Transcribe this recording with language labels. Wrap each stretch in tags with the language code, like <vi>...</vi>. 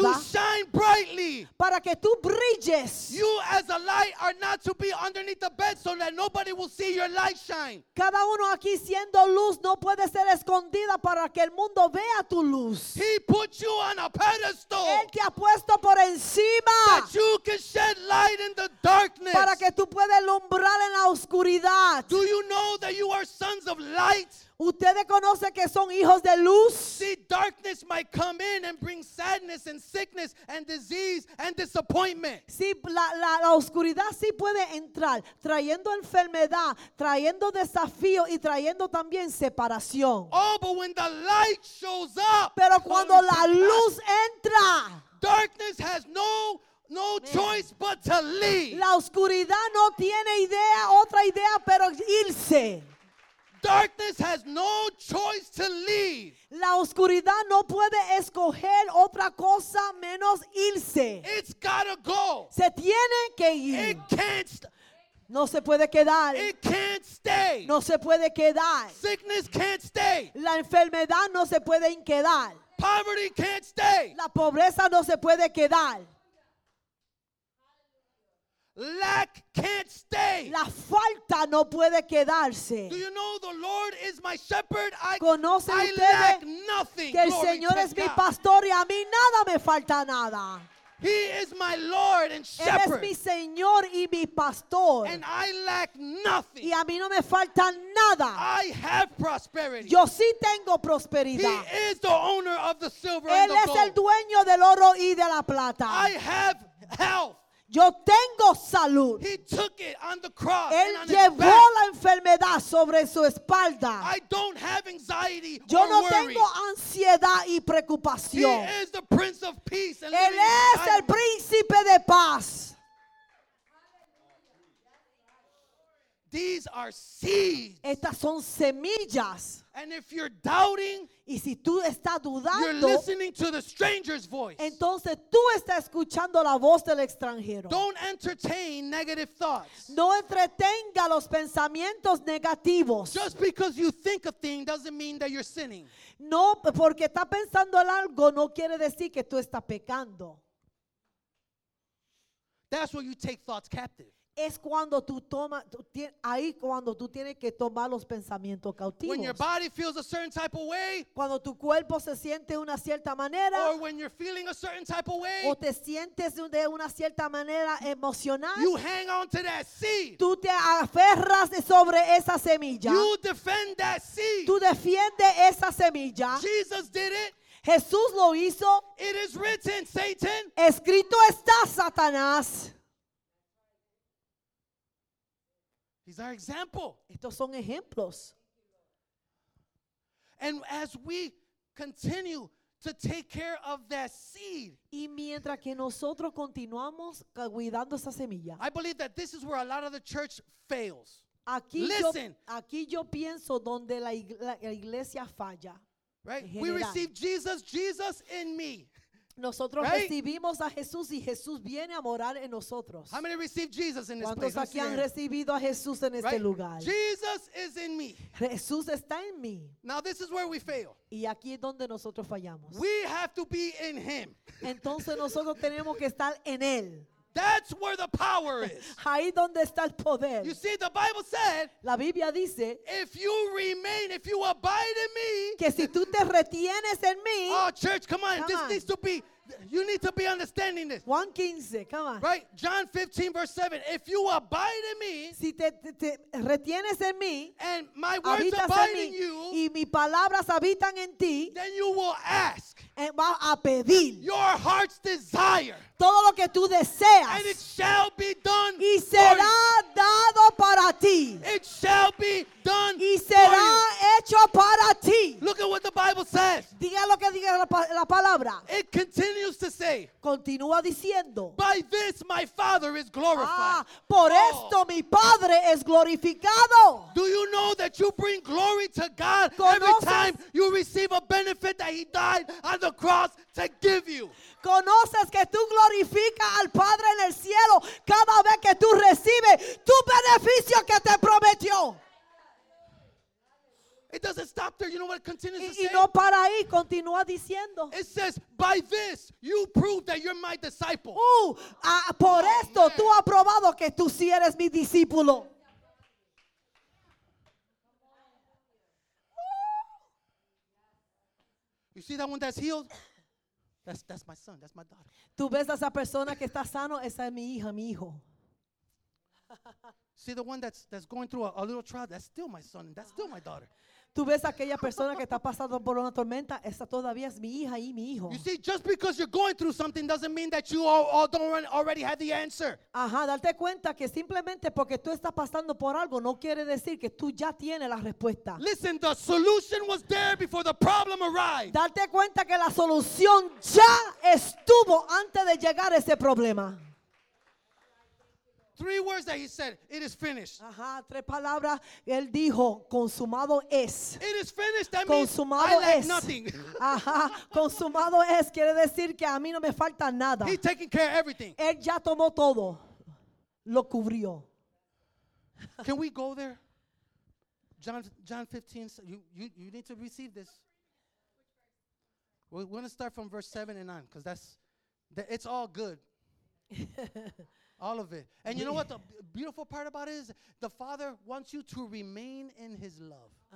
<en>To shine brightly.</en> <es>Para que tú brilles.</es> <en>You as a light are not to be underneath the bed so that nobody will see your light shine.</en> <es>Cada uno aquí siendo luz no puede ser escondida para que el mundo vea tu luz.</es> <en>He put you on a pedestal.</en> <es>Él te ha puesto por encima.</es> <en>That you can shed light in the darkness.</en> <es>Para que tú puedas alumbrar en la oscuridad.</es> <en>Do you know that you are sons of light?</en> <es>¿Ustedes conocen que son hijos de luz?</es> <en>See, darkness might come in and bring sadness and sickness and disease and disappointment.</en> <es>Sí, la oscuridad sí puede entrar, trayendo enfermedad, trayendo desafío y trayendo también separación.</es> <en>Oh, but when the light shows up,</en> <es>pero cuando la luz entra,</es> <en>darkness has no choice but to leave.</en> <es>La oscuridad no tiene idea, otra idea, pero irse.</es> <en>Darkness has no choice to leave.</en> <es>La oscuridad no puede escoger otra cosa menos irse.</es> <en>It's gotta go.</en> <es>Se tiene que ir.</es> <en>It can't stay.</en> <es>No se puede quedar.</es> <en>It can't stay.</en> <es>No se puede quedar.</es> <en>Sickness can't stay.</en> <es>La enfermedad no se puede quedar.</es> <en>Poverty can't stay.</en> <es>La pobreza no se puede quedar.</es> <en>Lack can't stay.</en> <es>La falta no puede quedarse.</es> <en>Do you know the Lord is my shepherd? I lack nothing.</en> <es>Que el Señor es mi pastor y a mí nada me falta nada.</es> <en>He is my Lord and shepherd.</en> <es>Él es mi Señor y mi pastor.</es> <en>And I lack nothing.</en> <es>Y a mí no me falta nada.</es> <en>I have prosperity.</en> <es>Yo sí tengo prosperidad.</es> <en>He is the owner of the silver</en> <es>Él</es> <en>and the</en> <es>es</es> <en>gold.</en> <es>El dueño del oro y de la plata.</es> <en>I have health.</en> <es>Yo tengo salud.</es> <en>He took it on the cross.</en> <es>Él llevó la enfermedad sobre su espalda.</es> <en>I don't have anxiety or worry.</en> <es>Yo no tengo ansiedad y preocupación.</es> <en>He is the Prince of Peace and</en> <es>Él es el príncipe de paz.</es> <en>These are seeds.</en> <es>Estas son semillas.</es> <en>And if you're doubting,</en> <es>y si tú estás dudando,</es> <en>you're listening to the stranger's voice.</en> <es>Entonces tú estás escuchando la voz del extranjero.</es> <en>Don't entertain negative thoughts.</en> <es>No entretenga los pensamientos negativos.</es> <en>Just because you think a thing doesn't mean that you're sinning.</en> <es>No, porque estás pensando en algo no quiere decir que tú estás pecando.</es> <en>That's where you take thoughts captive.</en> <es>Es cuando tú tomas, ahí cuando tú tienes que tomar los pensamientos cautivos.</es> <en>When your body feels a certain type of way,</en> <es>cuando tu cuerpo se siente de una cierta manera,</es> <en>or when you're feeling a certain type of way,</en> <es>o te sientes de una cierta manera emocional,</es> <en>you hang on to that seed.</en> <es>Tú te aferras sobre esa semilla.</es> <en>You defend that seed.</en> <es>Tú defiendes esa semilla.</es> <en>Jesus did it.</en> <es>Jesús lo hizo.</es> <en>It is written, Satan.</en> <es>Escrito está, Satanás.</es> <en>These are examples.</en> <es>Estos son ejemplos.</es> <en>And as we continue to take care of that seed,</en> <es>y mientras que nosotros continuamos cuidando esa semilla,</es> <en>I believe that this is where a lot of the church fails.</en> <es>Aquí</es> <en>listen.</en> <es>Aquí yo pienso donde la iglesia falla.</es> <en>Right? We receive Jesus in me.</en> <es>Nosotros</es> <en>right?</en> <es>recibimos a Jesús y Jesús viene a morar en nosotros.</es> <en>How many receive Jesus in this</en> <es>¿Cuántos</es> <en>place?</en> <es>Aquí han recibido a Jesús en</es> <en>right?</en> <es>este lugar?</es> <en>Jesus is in me.</en> <es>Jesús está en mí.</es> <en>Now this is where we fail.</en> <es>Y aquí es donde nosotros fallamos.</es> <en>We have to be in him.</en> <es>Entonces nosotros tenemos que estar en él.</es> <en>That's where the power is.</en> <es>Ahí donde está el poder.</es> <en>You see, the Bible said,</en> <es>la Biblia dice,</es> <en>if you remain, if you abide in me,</en> <es>que si tú te retienes en mí,</es> <en>oh, church, come on, this needs to be, you need to be understanding this. Juan 15, come on. Right? John 15, verse 7. If you abide in me,</en> <es>si te retienes en mí,</es> <en>and my words abide in you,</en> <es>y mis palabras habitan en ti,</es> <en>then you will ask.</en> <es>Va a pedir</es> <en>your heart's desire.</en> <es>Todo lo que tú deseas.</es> <en>And it shall be done.</en> <es>Y será dado para ti.</es> <en>It shall be done.</en> <es>Y será hecho para ti.</es> <en>Look at what the Bible says.</en> <es>Diga lo que diga la palabra.</es> <en>It continues to say.</en> <es>Continúa diciendo.</es> <en>By this my Father is glorified.</en> <es>Ah, por esto mi Padre es glorificado.</es> <en>Do you know that you bring glory to God every time you receive a benefit that He died on the cross to give you?</en> <es>Conoces que tú glorificas al Padre en el cielo cada vez que tú recibes tu beneficio que te prometió.</es> <en>It doesn't stop there. You know what it continues to say?</en> <es>Y no para ahí, continúa diciendo.</es> <en>It says, by this you prove that you're my disciple.</en> <es>Por esto tú has probado que tú sí eres mi discípulo.</es> <en>see that one that's healed? That's my son. That's my daughter.</en> <es>¿Tú ves a esa persona que está sano? Esa es mi hija, mi hijo.</es> <en>See the one that's going through a little trial? That's still my son. That's still my daughter.</en> <es>¿Tú ves aquella persona que está pasando por una tormenta? Esa todavía es mi hija y mi hijo.</es> <en>You see, just because you're going through something doesn't mean that you all don't already have the answer.</en> <es>Ajá, date cuenta que simplemente porque tú estás pasando por algo no quiere decir que tú ya tienes la respuesta.</es> <en>Listen, the solution was there before the problem arrived.</en> <es>Date cuenta que la solución ya estuvo antes de llegar ese problema.</es> <en>Three words that he said, it is finished.</en> <es>Ajá, tres palabras, él dijo, consumado es.</es> <en>It is finished, that</en> <es>consumado</es> <en>means I lack nothing.</en> <es>Ajá, consumado es, quiere decir que a mí no me falta nada.</es> <en>He's taking care of everything.</en> <es>Él ya tomó todo, lo cubrió.</es> <en>Can we go there? John 15, you need to receive this. We're going to start from verse 7 and 9, because it's all good. All of it. And you know what the beautiful part about it is? The Father wants you to remain in His love.</en>